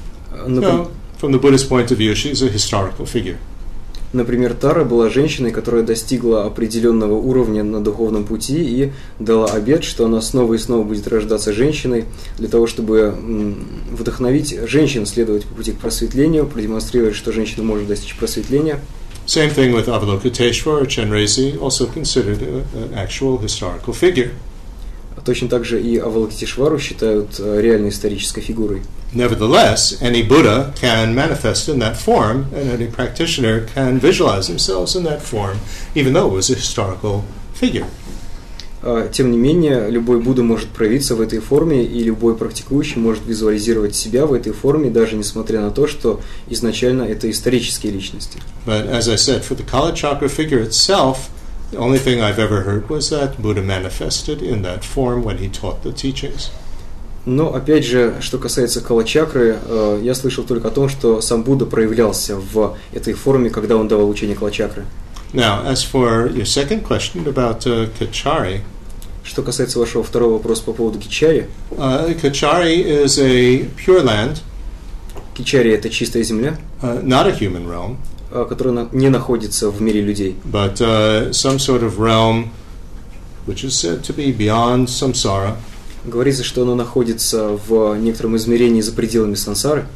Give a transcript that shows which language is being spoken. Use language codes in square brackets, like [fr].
[en] From the Buddhist point of view, she's a historical figure. [ru] Например, Тара была женщиной, которая достигла определенного уровня на духовном пути и дала обет, что она снова и снова будет рождаться женщиной для того, чтобы вдохновить женщин следовать по пути к просветлению, продемонстрировать, что женщина может достичь просветления. [en] Same thing with Avalokiteshvara, Chenrezi, also considered an actual historical figure. [ru] Точно так же и Авалокитешвару считают реальной исторической фигурой. [en] Nevertheless, any Buddha can manifest in that form, and any practitioner can visualize themselves in that form, even though it was a historical figure. [ru] Тем не менее, любой Будда может проявиться в этой форме, и любой практикующий может визуализировать себя в этой форме, даже несмотря на то, что изначально это исторические личности. [en] But as I said, for the Kalachakra figure itself, the only thing I've ever heard was that Buddha manifested in that form when he taught the teachings. [ru] Но опять же, что касается Калачакры, я слышал только о том, что сам Будда проявлялся в этой форме, когда он давал учение Калачакры. [en] Now, as for your second question about Kachari, [ru] что касается вашего второго вопроса по поводу Кичари, [en] Kachari is a pure land. [ru] Кичари — это чистая земля. [en] Not a human realm. [ru] Которая не находится в мире людей. [en] But some sort of realm, which is said to be beyond samsara. [ru] Говорится, что она находится в некотором измерении за пределами сансары.